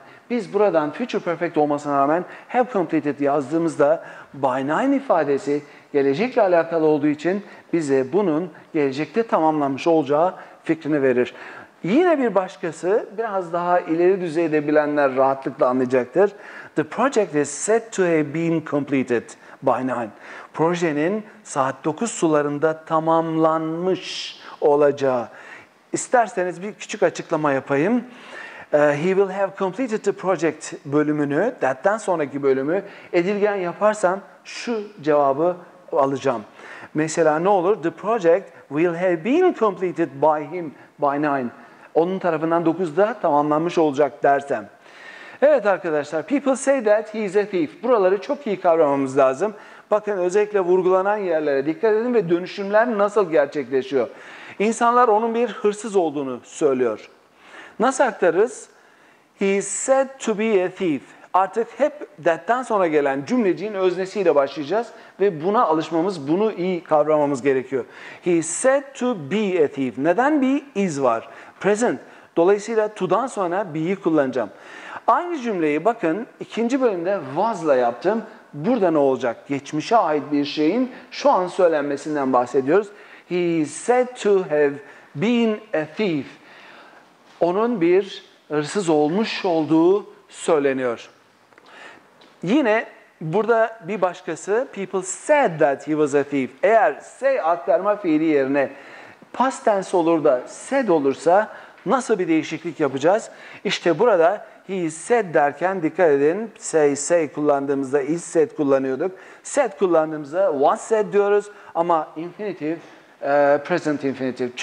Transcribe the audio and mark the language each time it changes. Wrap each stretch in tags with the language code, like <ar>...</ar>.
<tr>Biz buradan future perfect olmasına rağmen have completed yazdığımızda by 9 ifadesi gelecekle alakalı olduğu için bize bunun gelecekte tamamlanmış olacağı fikrini verir. Yine bir başkası, biraz daha ileri düzeyde bilenler rahatlıkla anlayacaktır.</tr> <en>The project is said to have been completed by 9.</en> <tr>Projenin saat 9 sularında tamamlanmış olacağı. İsterseniz bir küçük açıklama yapayım.</tr> <en>He will have completed the project</en> <tr>bölümünü, that'tan sonraki bölümü edilgen yaparsam şu cevabı alacağım. Mesela ne olur?</tr> <en>The project will have been completed by him by 9.</en> <tr>Onun tarafından 9'da tamamlanmış olacak dersem. Evet arkadaşlar,</tr> <en>people say that he is a thief.</en> <tr>Buraları çok iyi kavramamız lazım. Bakın özellikle vurgulanan yerlere dikkat edin ve dönüşümler nasıl gerçekleşiyor. İnsanlar onun bir hırsız olduğunu söylüyor. Nasıl aktarırız?</tr> <en>He is said to be a thief.</en> <tr>Artık hep that'tan sonra gelen cümleciğin öznesiyle başlayacağız ve buna alışmamız, bunu iyi kavramamız gerekiyor.</tr> <en>He is said to be a thief.</en> <tr>Neden be? Is var.</tr> <en>Present.</en> <tr>Dolayısıyla to'dan sonra be'yi kullanacağım. Aynı cümleyi bakın ikinci bölümde was'la yaptım. Burada ne olacak? Geçmişe ait bir şeyin şu an söylenmesinden bahsediyoruz.</tr> <en>He is said to have been a thief.</en> <tr>Onun bir hırsız olmuş olduğu söyleniyor. Yine burada bir başkası,</tr> <en>people said that he was a thief.</en> <tr>Eğer say aktarma fiili yerine past tense olur da said olursa nasıl bir değişiklik yapacağız? İşte burada he said derken dikkat edin, say kullandığımızda is said kullanıyorduk. Said kullandığımızda was said diyoruz ama infinitive, present infinitive.</tr>